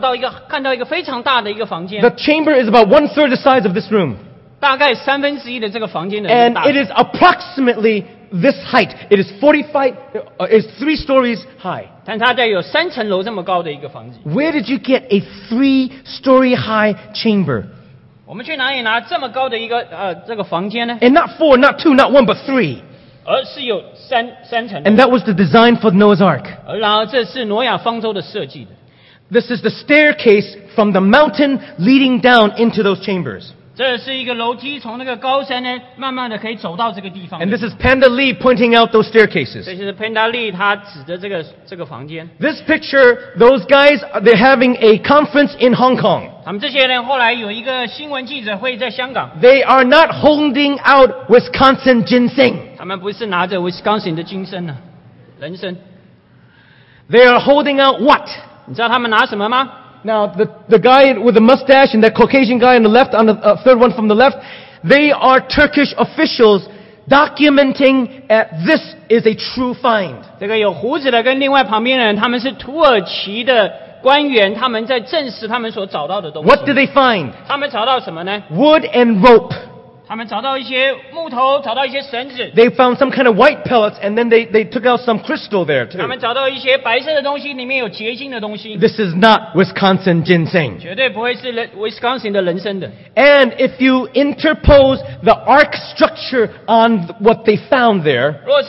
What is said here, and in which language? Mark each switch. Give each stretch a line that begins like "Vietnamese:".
Chinese: 然后他们找到一个非常大的一个房间。
English: The chamber is about 1/3 the size of this room.
Chinese: 大概1/3的这个房间的大。
English: And it is approximately this height. It is 3 stories high.
Chinese: 但它得有3层楼这么高的一个房子。
English: Where did you get a 3-story high chamber?
Chinese: 我们去哪里拿这么高的一个这个房间呢？
English: And not 4, not 2, not 1, but 3.
Chinese: 而是有三层。
English: And that was the design for Noah's Ark.
Chinese: 然后这是挪亚方舟的设计的。
English: This is the staircase from the mountain leading down into those chambers.
Chinese: 这是一个楼梯，从那个高山呢，慢慢的可以走到这个地方。
English: And this is Panda Lee pointing out those staircases.
Chinese: 这是Panda Lee，他指着这个房间。
English: This picture, those guys, they're having a conference in Hong Kong.
Chinese: 他们这些人后来有一个新闻记者会在香港。
English: They are not holding out Wisconsin ginseng.
Chinese: 他们不是拿着Wisconsin的人参。
English: They are holding out what?
Chinese: 你知道他们拿什么吗？
English: Now, the guy with the mustache and that Caucasian guy on the left, on the third one from the left, they are Turkish officials documenting that this is a true find.
Chinese: 这个有胡子的跟另外旁边的人,他们是土耳其的官员,他们在证实他们所找到的东西。
English: What did they find?
Chinese: 他们找到什么呢?
English: Wood and rope.
Chinese: 他们找到一些木头,找到一些绳子。
English: They found some kind of white pellets, and then they took out some crystal there too.
Chinese: 他们找到一些白色的东西,里面有结晶的东西。
English: This is not Wisconsin ginseng.
Chinese: 绝对不会是Wisconsin的人参的。
English: And if you interpose the ark structure on what they found there,